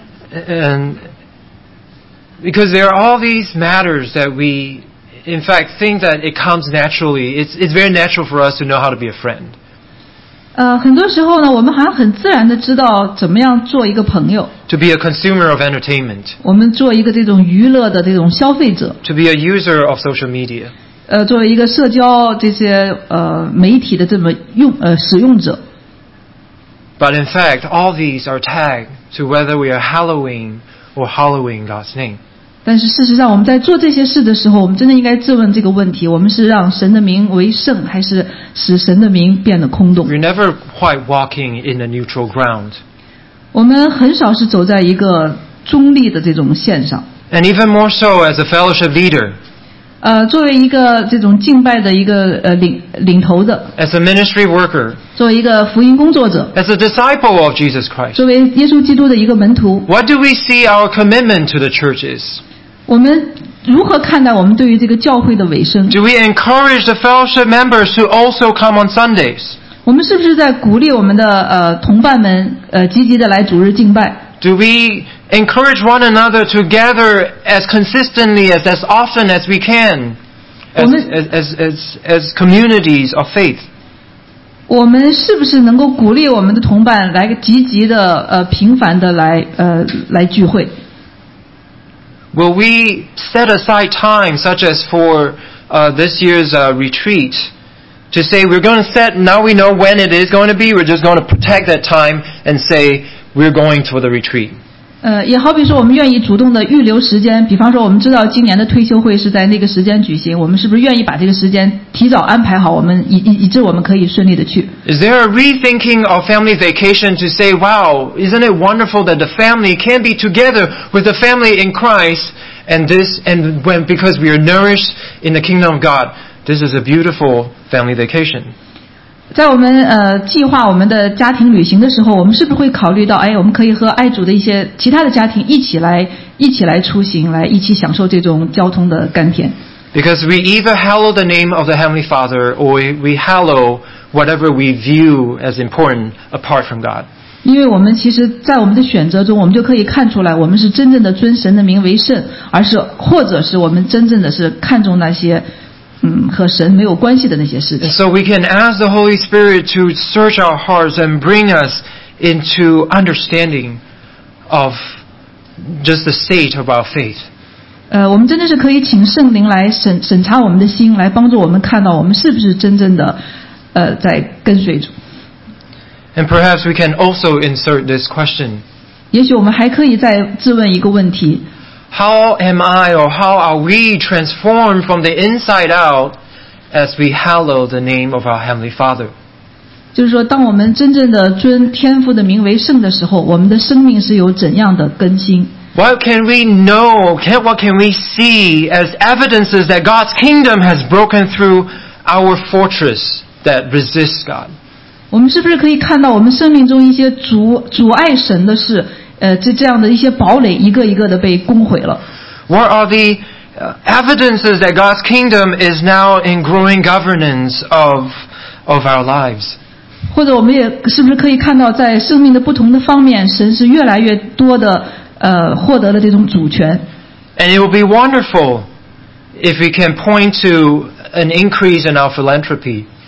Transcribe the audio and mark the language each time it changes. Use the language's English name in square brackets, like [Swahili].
[English] And because there are all these matters that we, in fact, think that it comes naturally. It's very natural for us to know how to be a friend. [Chinese] 很多时候呢，我们好像很自然的知道怎么样做一个朋友。 [English] To be a consumer of entertainment. [Chinese] 我们做一个这种娱乐的这种消费者。 [English] To be a user of social media. [Chinese] 作为一个社交这些媒体的这么使用者。 [English] But in fact, all these are tagged to whether we are hallowing or hallowing God's name. [Chinese] 但是事实上，我们在做这些事的时候，我们真的应该自问这个问题：我们是让神的名为圣，还是使神的名变得空洞？ [English] You're never quite walking in a neutral ground. [Chinese] 我们很少是走在一个中立的这种线上。 [English] And even more so as a fellowship leader. [Chinese] 作为一个这种敬拜的一个领头的 [English] ，as a ministry worker， [Chinese] 作为一个福音工作者 [English] ，as a disciple of Jesus Christ， [Chinese] 作为耶稣基督的一个门徒 [English] ，what do we see our commitment to the churches？ [Chinese] 我们如何看待我们对于这个教会的委身 [English] ？Do we encourage the fellowship members to also come on Sundays？ [Chinese] 我们是不是在鼓励我们的同伴们积极的来主日敬拜 [English] ？Do we encourage one another to gather as consistently as often as we can as communities of faith? [Chinese] 我们是不是能够鼓励我们的同伴来积极的频繁的来聚会？ [English] Will we set aside time such as for this year's retreat to say we're going to set, now we know when it is going to be, we're just going to protect that time and say we're going for the retreat? [Chinese] 也好比说我们愿意主动的预留时间，比方说我们知道今年的退休会是在那个时间举行，我们是不是愿意把这个时间提早安排好，我们以致我们可以顺利的去。 [English] Is there a rethinking of family vacation to say, wow, isn't it wonderful that the family can be together with the family in Christ and this, and when, because we are nourished in the kingdom of God, this is a beautiful family vacation. [Chinese] 在我们计划我们的家庭旅行的时候，我们是不是会考虑到，哎，我们可以和爱主的一些其他的家庭一起来出行，来一起享受这种交通的甘甜？ [English] Because we either hallow the name of the Heavenly Father, or we hallow whatever we view as important apart from God. [Chinese] 因为我们其实，在我们的选择中，我们就可以看出来，我们是真正的尊神的名为圣，而是或者是我们真正的是看重那些。和神没有关系的那些事情。 [English] So we can ask the Holy Spirit to search our hearts and bring us into understanding of just the state of our faith. [Chinese] 我们真的是可以请圣灵来审查我们的心，来帮助我们看到我们是不是真正的在跟随主。 [English] And perhaps we can also insert this question. [Chinese] 也许我们还可以再质问一个问题。 [English] How am I or how are we transformed from the inside out as we hallow the name of our Heavenly Father? [Chinese] 就是说，当我们真正的尊天父的名为圣的时候，我们的生命是有怎样的更新？ [English] What can we know? What can we see as evidences that God's kingdom has broken through our fortress that resists God? [Chinese] 我们是不是可以看到我们生命中一些阻碍神的事？这样的一些堡垒一个一个的被攻毁了。 [English] What are the evidences that God's kingdom is now in growing governance of our lives? [Chinese] 或者我们也是不是可以看到，在生命的不同的方面，神是越来越多的获得了这种主权。 [English] And it will be wonderful if we can point to an increase in our philanthropy.